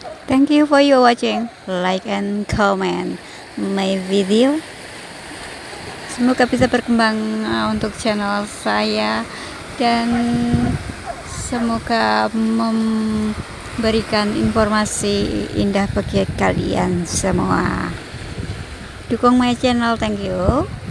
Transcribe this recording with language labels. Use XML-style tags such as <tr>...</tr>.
<en>Thank you for your watching, like and comment my video.</en> <id>Semoga bisa berkembang untuk channel saya dan semoga memberikan informasi indah bagi kalian semua. Dukung</id> <en>my channel, thank you.</en>